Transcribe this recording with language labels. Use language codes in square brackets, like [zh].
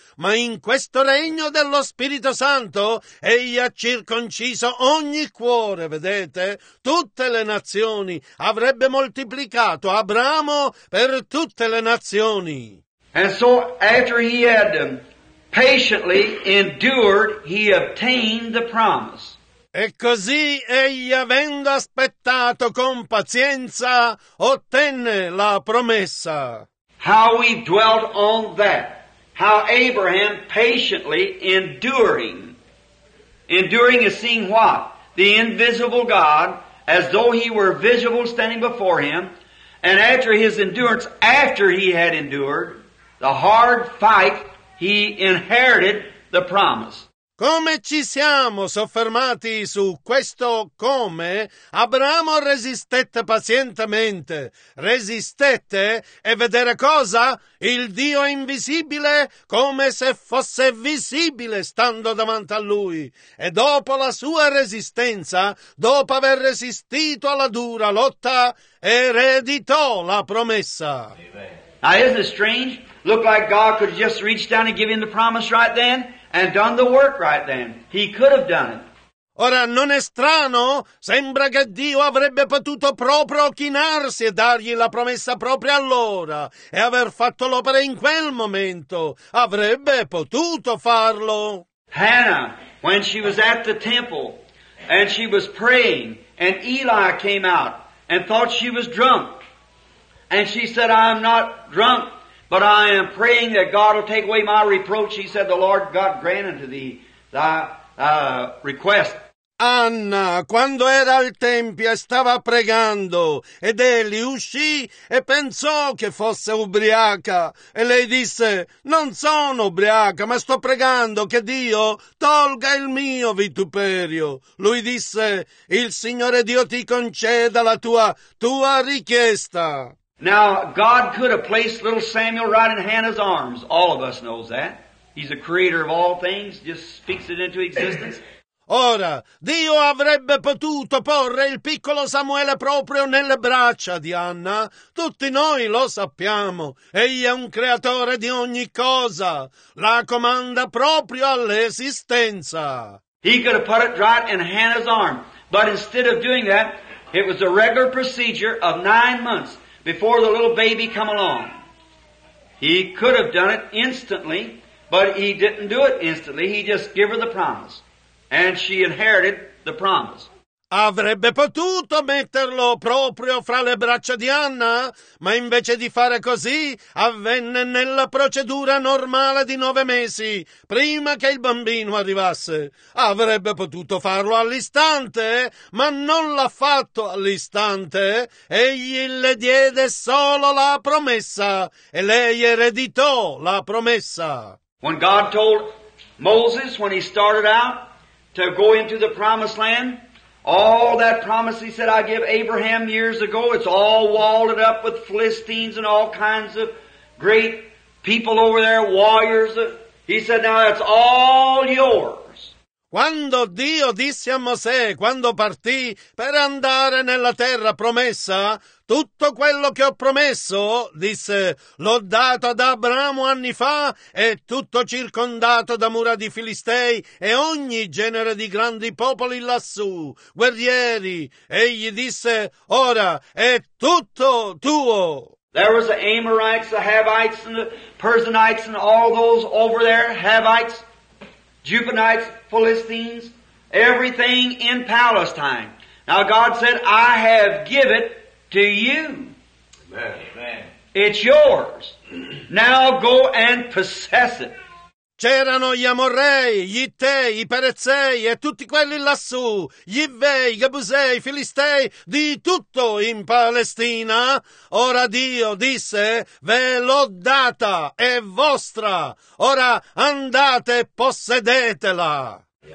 [it] Ma in questo regno dello Spirito Santo, egli ha circonciso ogni cuore, vedete? Tutte le nazioni, avrebbe moltiplicato Abramo per tutte le nazioni. [en] And so, after he had patiently endured, he obtained the promise. [it] E così, egli avendo aspettato con pazienza, ottenne la promessa. [en] How we dwelt on that. How Abraham patiently enduring is seeing what? The invisible God, as though he were visible standing before him, and after his endurance, after he had endured the hard fight, he inherited the promise. [it] Come ci siamo soffermati su questo come? Abramo resistette pazientemente. Resistette e vedere cosa? Il Dio invisibile come se fosse visibile stando davanti a lui. E dopo la sua resistenza, dopo aver resistito alla dura lotta, ereditò la promessa. [en] Now isn't it strange? Looked like God could have just reached down and give him the promise right then. And done the work right then. He could have done it. [it] Ora, non è strano? Sembra che Dio avrebbe potuto proprio chinarsi e dargli la promessa proprio allora. E aver fatto l'opera in quel momento. Avrebbe potuto farlo. [en] Hannah, when she was at the temple, and she was praying, and Eli came out, and thought she was drunk. And she said, I'm not drunk. But I am praying that God will take away my reproach. He said, the Lord God grant unto thee thy request. [it] Anna, quando era al tempio, stava pregando, ed egli uscì e pensò che fosse ubriaca. E lei disse, non sono ubriaca, ma sto pregando che Dio tolga il mio vituperio. Lui disse, il Signore Dio ti conceda la tua richiesta. [en] Now, God could have placed little Samuel right in Hannah's arms. All of us knows that. He's the creator of all things, just speaks it into existence. [it] Ora, Dio avrebbe potuto porre il piccolo Samuele proprio nelle braccia di Anna. Tutti noi lo sappiamo. Egli è un creatore di ogni cosa. La comanda proprio all'esistenza. [en] He could have put it right in Hannah's arm. But instead of doing that, it was a regular procedure of 9 months. Before the little baby come along. He could have done it instantly, but he didn't do it instantly. He just gave her the promise. And she inherited the promise. [it] Avrebbe potuto metterlo proprio fra le braccia di Anna, ma invece di fare così, avvenne nella procedura normale di 9 mesi, prima che il bambino arrivasse. Avrebbe potuto farlo all'istante, ma non l'ha fatto all'istante. Egli le diede solo la promessa, e lei ereditò la promessa. [en] When God told Moses, when he started out, to go into the promised land, all that promise he said I give Abraham years ago, it's all walled up with Philistines and all kinds of great people over there, warriors. He said, now it's all yours. [it] Quando Dio disse a Mosè, quando partì per andare nella terra promessa, tutto quello che ho promesso, disse, l'ho dato ad Abramo anni fa, è tutto circondato da mura di Filistei e ogni genere di grandi popoli lassù, guerrieri. Egli disse, ora è tutto tuo. [en] There was the Amorites, the Havites, and the Persianites, and all those over there, Havites, Jebusites, Philistines, everything in Palestine. Now God said, I have given to you. Amen. It's yours. Now go and possess it. [it] C'erano gli Amorrei, gli Ittei, i Perezzei e tutti quelli lassù, gli Ivvei, i Gebusei, i Filistei, di tutto in Palestina. Ora Dio disse, ve l'ho data, è vostra, ora andate e possedetela.